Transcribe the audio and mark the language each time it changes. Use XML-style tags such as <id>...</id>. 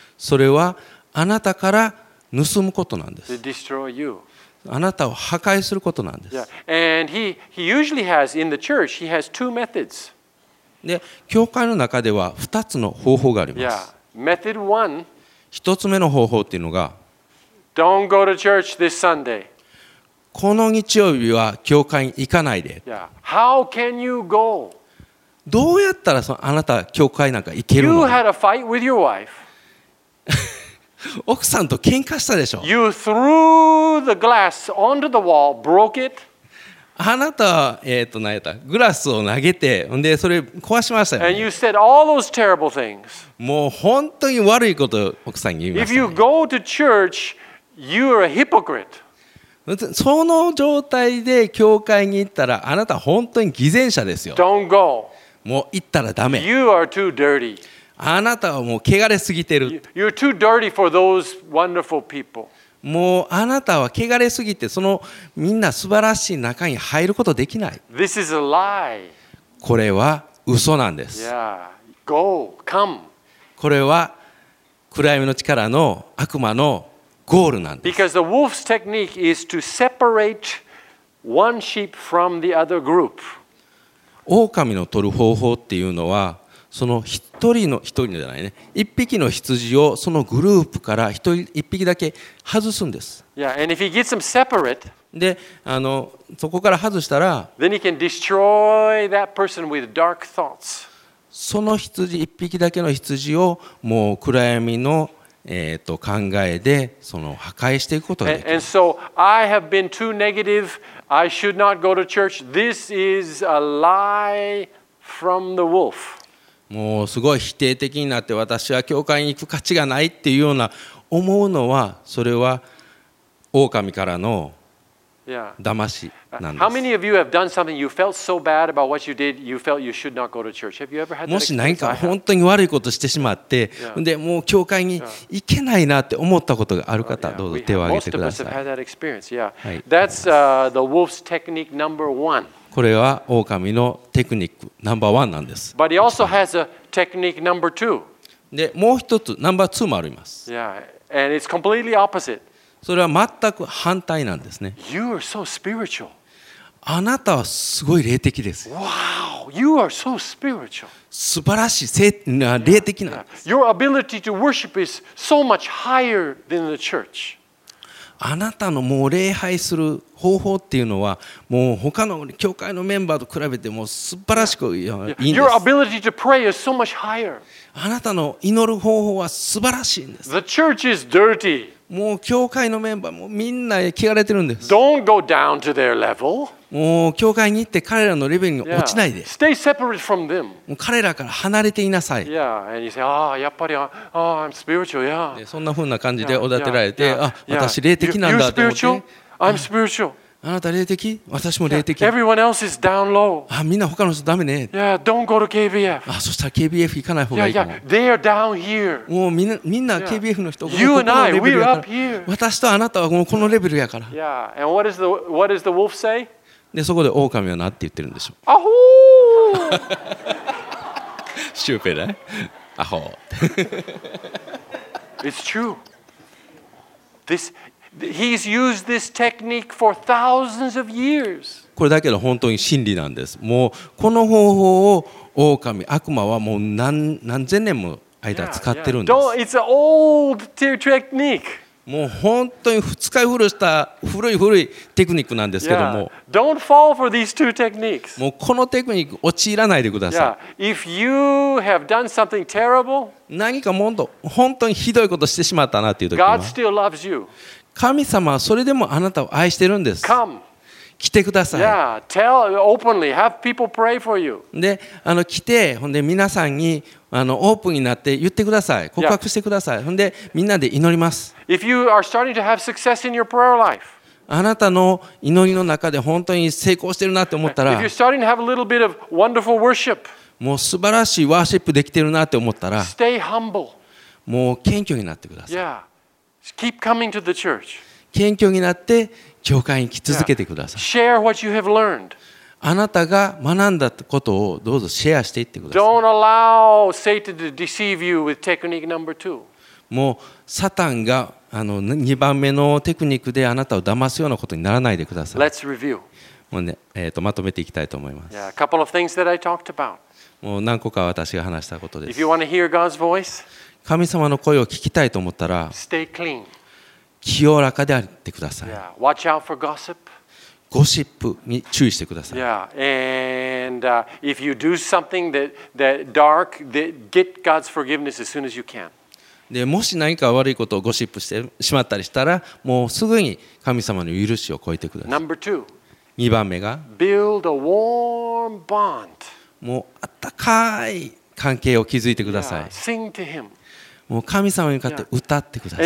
<ja>それはあなたから盗むことなんです。</ja> <en>To destroy you.</en> <ja>あなたを破壊することなんです。</ja> <en>Yeah. And he usually has in the church he has two methods.</en> <ja>で、教会の中では2つの方法があります。</ja> <en>Yeah. Method one.</en> <ja>一つ目の方法っていうのが、</ja> <en>Don't go to church this Sunday.</en> <ja>この日曜日は教会に行かないで。</ja> <en>Yeah. How can you go?</en> <ja>どうやったらそのあなた教会なんか行けるの？</ja> <en>You had a fight with your wife.</en> <ja>奥さんと喧嘩したでしょ。</ja> <en>You threw the glass onto the wall, broke it.</en> <ja>あなたは何やった？グラスを投げて、でそれ壊しましたよ、ね。</ja> <en>And you said all those terrible things.</en> <ja>もう本当に悪いことを奥さんに言いますね。</ja> <en>If you go to church, you're a hypocrite.</en> <ja>その状態で教会に行ったらあなた本当に偽善者ですよ。</ja> <en>Don't go.</en> <ja>もう行ったらダメ。</ja> <en>You are too dirty.</en> <ja>あなたはもう汚れすぎてる。</ja> <en>You're too dirty for those wonderful people.</en> <ja>もうあなたは汚れすぎてそのみんな素晴らしい中に入ることできない。</ja> <en>This is a lie.</en> <ja>これは嘘なんです。</ja> <en>Yeah. Go, come.</en> <ja>これは暗闇の力の悪魔のゴールなんです。</ja> <en>Because the wolf's technique is to separate one sheep from the other group.</en> <ja>狼の取る方法っていうのは、その一人の、一人じゃないね、一匹の羊をそのグループから一匹だけ外すんです。</ja> <en>Yeah, and if he gets them separate,</en> <ja>で、あの、そこから外したら、</ja> <en>then he can destroy that person with dark thoughts.</en> <ja>その羊、一匹だけの羊をもう暗闇の考えでその破壊していくことができる。</ja> <en>And so I have been too negative. I should not go to church. This is a lie from the wolf.</en> <ja>もうすごい否定的になって私は教会に行く価値がないっていうような思うのはそれは狼からの騙しなんです。</ja> <en>How many of you have done something you felt so bad about what you did you felt you should not go to church? Have you ever had that?</en> <ja>もし何か本当に悪いことしてしまって、yeah. でもう教会に行けないなって思ったことがある方、yeah. どうぞ手を挙げてください。</ja> <en>Most of us have had that experience. Yeah. That's the wolf's technique number one.</en> <ja>これは狼のテクニックナンバーワンなんです。</ja> <en>But he also has a technique number two.</en> <ja>で、もう一つナンバーツーもあります。</ja> <en>Yeah, and it's completely opposite.</en> <ja>それは全く反対なんですね。</ja> <en>You are so spiritual.</en> <ja>あなたはすごい霊的です。</ja> <en>Wow, you are so spiritual.</en> <ja>素晴らしい霊的なんです。</ja> <en>Yeah, yeah. Your ability to worship is so much higher than the church.</en> <ja>あなたのもう礼拝する方法っていうのはもう他の教会のメンバーと比べてもう素晴らしくいいんです。</ja> <en>Your ability to pray is so much higher.</en> <ja>あなたの祈る方法は素晴らしいんです。</ja> <en>The church is dirty.</en> <ja>もう教会のメンバーもみんな汚れてるんです。</ja> <en>Don't go down to their level.</en> <ja>もう教会に行って彼らのレベルに落ちないで。</ja> <en>Stay separate from them.</en> <ja>もう彼らから離れていなさい。</ja> <en>Yeah, and you say, ah, やっぱり ah, I'm spiritual, yeah.</en> <ja>そんな風な感じでおだてられて、あ、私霊的なんだと思って。</ja> <en>You're spiritual. I'm spiritual.</en> <ja>あなた霊的？私も霊的。</ja> <en>Everyone else is down low.</en> <ja>あ、みんな他の人ダメね。</ja> <en>Yeah, don't go to KBF.</en> <ja>あ、そしたら KBF 行かない方がいいかも。</ja> <en>Yeah, they are down here.</en> <ja>もうみんな KBF の人が、</ja> <en>You and I, we're up here.</en> <ja>私とあなたはもうこのレベルやから。</ja> <en>Yeah, and what does the wolf say?</en> <ja>でそこで狼はなって言ってるんでしょう。アホーシューペだ、ね、アホ</ja> <en>ー It's true. This, he's used this technique for thousands of years.</en> <ja>これだけど本当に真理なんです。もうこの方法を狼、悪魔はもう 何千年も間使ってるんです。</ja> <en>Yeah, yeah. It's an old technique.</en> <ja>もう本当に使い古した古い古いテクニックなんですけども、</ja> <en>yeah. Don't fall for these two techniques.</en> <ja>もうこのテクニック陥らないでください。</ja> <en>Yeah. If you have done something terrible,</en> <ja>何か本当にひどいことしてしまったなっていう時は、</ja> <en>God still loves you.</en> <ja>神様はそれでもあなたを愛してるんです。</ja> <en>Come.</en> <ja>来てください。</ja> <en>Yeah, tell openly. Have people pray for you.</en> <ja>で、あの来て、ほんで皆さんにあのオープンになって言ってください。告白してください。 Yeah. ほんでみんなで祈ります。</ja> <en>If you are starting to have success in your prayer life,</en> <ja>あなたの祈りの中で本当に成功してるなって思ったら、</ja> <en>If you're starting to have a little bit of wonderful worship,</en> <ja>もう素晴らしいワーシップできてるなって思ったら、</ja> <en>Stay humble.</en> <ja>もう謙虚になってください。</ja> <en>Yeah. Keep coming to the church.</en> <ja>謙虚になって。教会に来続けてください。</ja> <en>Yeah. Share what you have learned.</en> <ja>あなたが学んだことをどうぞシェアしていってください。</ja> <en>Don't allow Satan to deceive you with technique number two.</en> <ja>もうサタンがあの2番目のテクニックであなたを騙すようなことにならないでください。</ja> <en>Let's review.</en> <ja>もうね、まとめていきたいと思います。</ja> <en>Yeah, a couple of things that I talked about.</en> <ja>もう何個か私が話したことです。</ja> <en>If you want to hear God's voice,</en> <ja>神様の声を聞きたいと思ったら、</ja> <en>Stay clean.</en> <ja>清らかであってください。</ja> <en>Yeah. Watch out for gossip.</en> <ja>ゴシップに注意してください。</ja> <en>Yeah. And if you do something that dark, that get God's forgiveness as soon as you can.</en> <ja>で、もし何か悪いことをゴシップしてしまったりしたら、もうすぐに神様の許しを超えてください。</ja> <en>Number two.</en> <ja>二番目が。</ja> <en>Build a warm bond.</en> <ja>もうあったかい関係を築いてください。</ja> <en>Yeah. Sing to him.</en> <ja>もう神様に向かって歌ってください。</ja>